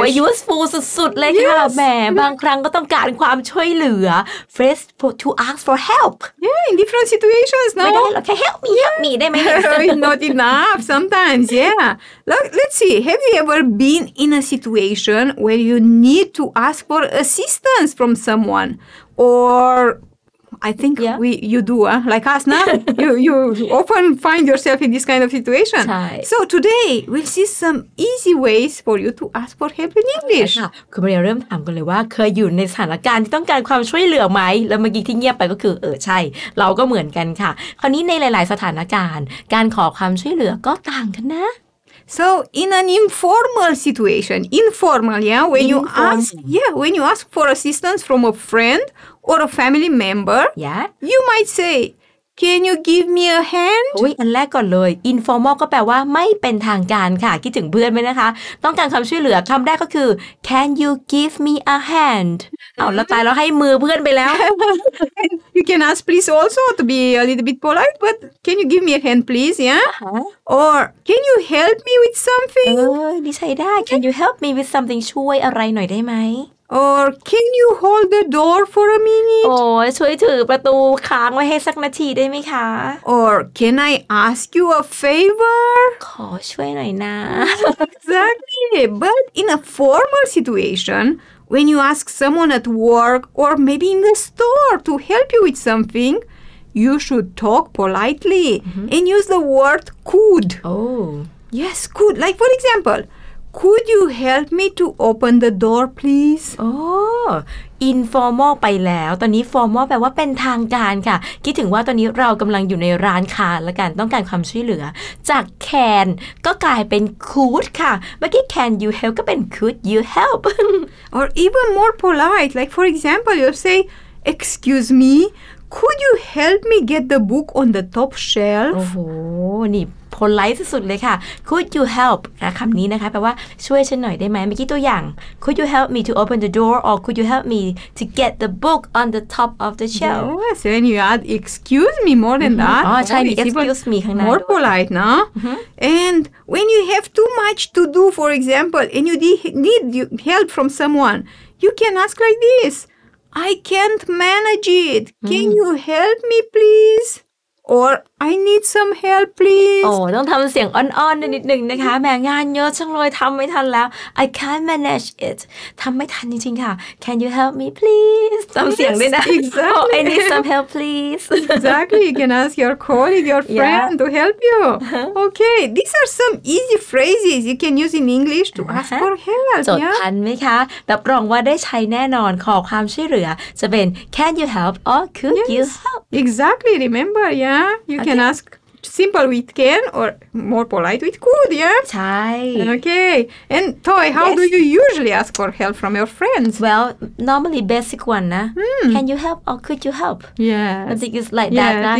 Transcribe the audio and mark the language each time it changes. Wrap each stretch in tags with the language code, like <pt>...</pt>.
<en>Oh, useful</en> <th>สุดๆเลยค่ะแม่บางครั้งก็ต้องการความช่วยเหลือ</th> <en>phrase to ask for help. Yeah, in different situations, no?</en> <th>ไม่ได้หรอกแค่</th> <en>help me, yeah. help me,</en> <th>ได้ไหม</th> <en>Not enough sometimes, yeah. Look, let's see, have you ever been in a situation where you need to ask for assistance from someone? Or... I think yeah. You do, like us now. you often find yourself in this kind of situation. So today, we'll see some easy ways for you to ask for help in English.</en> <th>คุณมาเริ่มถามกันเลยว่าเคยอยู่ในสถานการณ์ที่ต้องการความช่วยเหลือไหมแล้วเมื่อกี้ที่เงียบไปก็คือใช่เราก็เหมือนกันค่ะคราวนี้ในหลายๆสถานการณ์การขอความช่วยเหลือก็ต่างกันนะ</th> <en>So in an informal situation, informal, yeah, when you ask for assistance from a friendOr a family member, yeah. you might say, can you give me a hand?</en> <th>อุ๊ยอันแรกก่อนเลย informal ก็แปลว่าไม่เป็นทางการค่ะคิดถึงเพื่อนไหมนะคะต้องการคำช่วยเหลือคำแรกก็คือ</th> <en>can you give me a hand?</en> <th>เอาแล้วตายแล้วให้มือเพื่อนไปแล้ว</th> <en>You can ask please also to be a little bit polite, but can you give me a hand please, yeah? Uh-huh. Or can you help me with something?</en> <th>นี่ใช่ได้</th> <en>can you help me with something</en> <th>ช่วยอะไรหน่อยได้ไหม</th> <en>Or can you hold the door for a minute?</en> <th>Oh, ช่วยถือประตูค้างไว้ให้สักนาทีได้ไหมคะ</th> <en>Or can I ask you a favor?</en> <th>ขอช่วยหน่อยนะ</th> <en>Exactly. But in a formal situation, when you ask someone at work or maybe in the store to help you with something, you should talk politely and use the word could. Oh. Yes, could. Like for example,Could you help me to open the door, please?</en> <th>Oh, informal ไปแล้วตอนนี้ formal แปลว่าเป็นทางการค่ะคิดถึงว่าตอนนี้เรากำลังอยู่ในร้านค้าและกันต้องการความช่วยเหลือจาก can ก็กลายเป็น could ค่ะเมื่อกี้</th> <en>can you help</en> <th>ก็เป็น</th> <en>could you help or even more polite like for example you say excuse me could you help me get the book on the top shelf?</en> <th>Oh, นี่polite สุดเลยค่ะ</th> <en>Could you help คำนี้นะคะแปลว่าช่วยฉันหน่อยได้ไหมเมื่อกี้ตัวอย่าง Could you help me to open the door or could you help me to get the book on the top of the shelf Yes and you add excuse me more than that</en> <th>ใช่มี</th> <en>excuse me</en> <th>ข้างหน้า</th> <en>More polite</en> <th>นะ</th> <en>And when you have too much to do for example and you need help from someone you can ask like this I can't manage it Can you help me pleaseOr, I need some help, please.</en> <th>Oh, ต้องทำเสียงอ่อนๆนิดหนึ่งนะคะแม่งานเยอะจังเลยทำไม่ทันแล้ว</th> <en>I can't manage it.</en> <th>ทำไม่ทันจริงๆค่ะ</th> <en>Can you help me, please?</en> <th>ทำเสียงได้นะ</th> <en>Exactly. Oh, I need some help, please. Exactly. You can ask your colleague, your friend to help you. Okay, these are some easy phrases you can use in English to ask for help.</en> <th>จดทันไหมคะรับรองว่าได้ใช้แน่นอนขอความช่วยเหลือจะเป็น</th> <en>Can you help or could you help? Exactly. Remember, yeah. You can ask simple with can or more polite with could, yeah?</en> <th>ใช่</th> <en>Okay. And Toy, how do you usually ask for help from your friends? Well, normally basic one, nah? Can you help or could you help? Yes. I think it's like that, nah?</en>